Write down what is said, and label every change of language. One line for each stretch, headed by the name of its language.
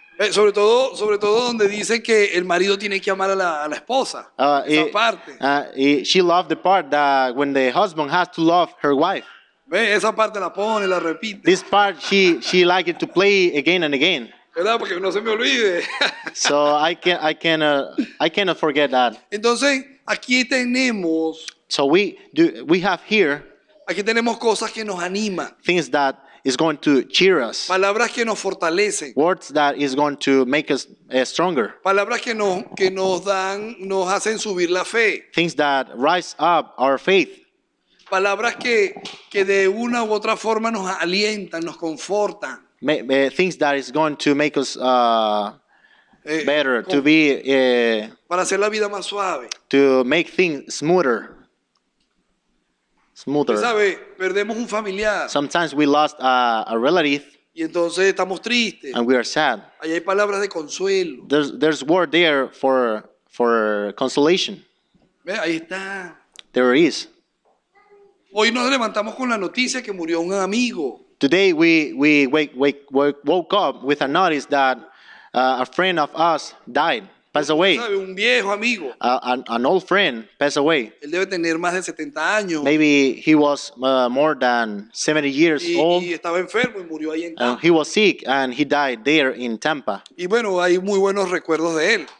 Spanish: Sobre todo donde dice que el marido tiene que amar a la esposa. Esa parte.
English: She loved the part that when the husband has to love her wife.
Spanish: Ve, esa parte la pone, la repite.
English: This part she liked it to play again and again.
Spanish: ¿Verdad? Porque no se me olvide.
English: So I cannot forget that.
Spanish: Entonces, aquí tenemos.
English: So we have here.
Spanish: Aquí tenemos cosas que nos animan.
English: Things that is going to cheer us.
Spanish: Palabras que nos fortalecen.
English: Words that is going to make us stronger.
Spanish: Palabras que nos hacen subir la fe.
English: Things that rise up our faith.
Spanish: Palabras que de una u otra forma nos alientan, nos confortan.
English: Things that is going to make us better, to be
Spanish: para hacer la vida más suave.
English: To make things smoother. smoother.
Spanish: ¿Sabe? Perdemos un familiar.
English: Sometimes we lost a relative.
Spanish: Y entonces estamos tristes.
English: And we are sad.
Spanish: Ahí hay palabras de consuelo.
English: There's word there for consolation.
Spanish: ¿Ve? Ahí está.
English: There is.
Spanish: Hoy nos levantamos con la noticia que murió un amigo.
English: Today we woke up with a notice that a friend of us died, passed away.
Spanish: ¿Sabe? Un viejo amigo.
English: An old friend passed away.
Spanish: Él debe tener más de 70 años.
English: Maybe he was more than 70 years old.
Spanish: Y estaba enfermo y murió ahí en Tampa.
English: He was sick and he died there in Tampa.
Spanish: Y bueno, hay muy buenos recuerdos de él.